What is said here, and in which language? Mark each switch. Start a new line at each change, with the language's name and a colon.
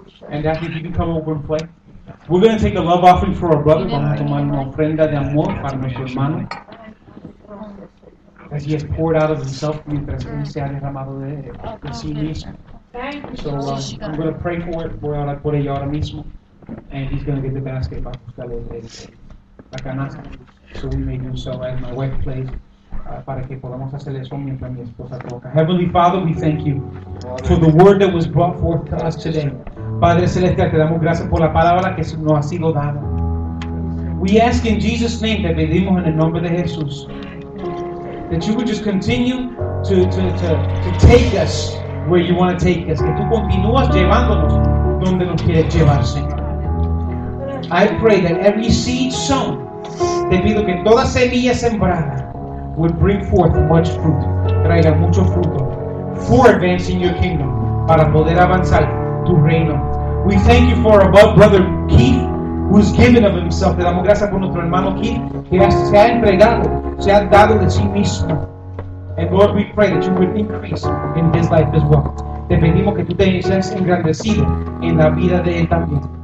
English: And if you can come over and play. We're going to take a love offering for our brother.
Spanish: Vamos a tomar una ofrenda de amor para nuestro hermano.
English: As he has poured out of himself
Spanish: mientras él se ha derramado de sí mismo.
English: So I'm going to pray for it.
Spanish: Voy a orar por ella ahora mismo.
English: And he's going to get the basket
Spanish: para buscarle la canasta.
English: So we may do so at my workplace,
Spanish: para que podamos hacer eso mientras mi esposa toca.
English: Heavenly Father, we thank you for the word that was brought forth to us today.
Spanish: Padre Celestial, te damos gracias por la palabra que nos ha sido dada.
English: We ask in Jesus' name,
Spanish: te pedimos en el nombre de Jesús,
English: that you would just continue to take us where you want to take us.
Spanish: Que tú continúas llevándonos donde nos quieres llevar, Señor.
English: I pray that every seed sown,
Spanish: te pido que toda semilla sembrada
English: will bring forth much fruit,
Spanish: traiga mucho fruto,
English: for advancing your kingdom,
Spanish: para poder avanzar tu reino.
English: We thank you for our brother Keith, who's given of himself.
Spanish: Te damos gracias por nuestro hermano Keith, que se ha entregado, se ha dado de sí mismo.
English: And Lord, we pray that you would increase in his life as well.
Spanish: Te pedimos que tú te seas engrandecido en la vida de él también.